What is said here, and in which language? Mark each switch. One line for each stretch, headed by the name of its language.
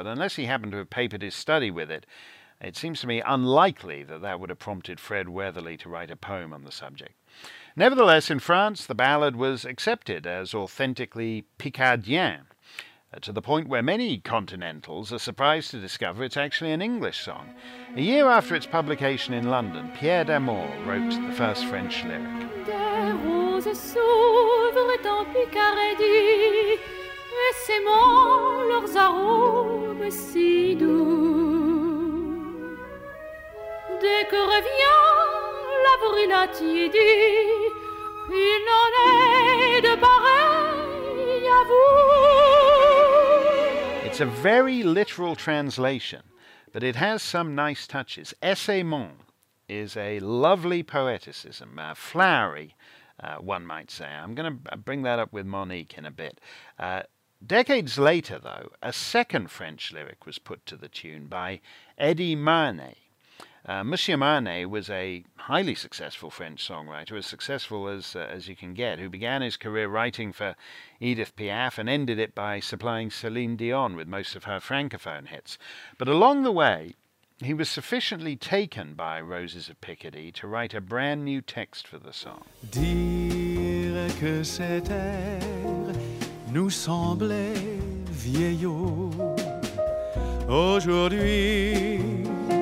English: But unless he happened to have papered his study with it, it seems to me unlikely that that would have prompted Fred Weatherly to write a poem on the subject. Nevertheless, in France, the ballad was accepted as authentically Picardien, to the point where many continentals are surprised to discover it's actually an English song. A year after its publication in London, Pierre Damour wrote the first French lyric.
French: Des roses s'ouvrent en Picardie, et s'aimant leurs arômes si doux. Dès que revient l'avril à tiédi, il n'en est de pareil à vous.
English: It's a very literal translation, but it has some nice touches. Essaimon is a lovely poeticism, flowery, one might say. I'm going to bring that up with Monique in a bit. Decades later, though, a second French lyric was put to the tune by Eddie Marnet. Monsieur Marnet was a highly successful French songwriter, as successful as you can get, who began his career writing for Edith Piaf and ended it by supplying Céline Dion with most of her francophone hits. But along the way, he was sufficiently taken by Roses of Picardy to write a brand new text for the song.
French: Dire que cet air nous semblait vieillot aujourd'hui.